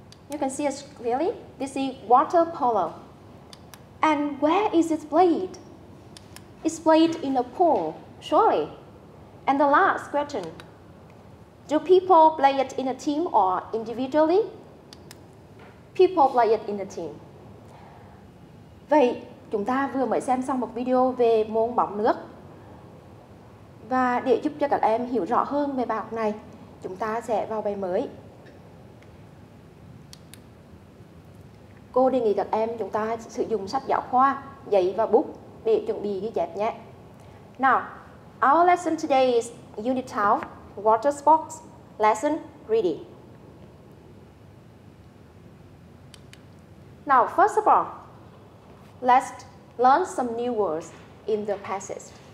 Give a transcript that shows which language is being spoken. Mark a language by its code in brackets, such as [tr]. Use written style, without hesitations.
[en] You can see it clearly. This is water polo. And where is it played? It's played in a pool, surely. And the last question, do people play it in a team or individually? People play it in a team. [vi] Vậy, chúng ta vừa mới xem xong một video về môn bóng nước. Và để giúp cho các em hiểu rõ hơn về bài học này, chúng ta sẽ vào bài mới. Cô đề nghị các em chúng ta sử dụng sách giáo khoa, giấy và bút để chuẩn bị ghi chép nhé. [en] Now, our lesson today is Unit 12, Water Sports, Lesson Reading. Now, first of all, let's learn some new words in the passage.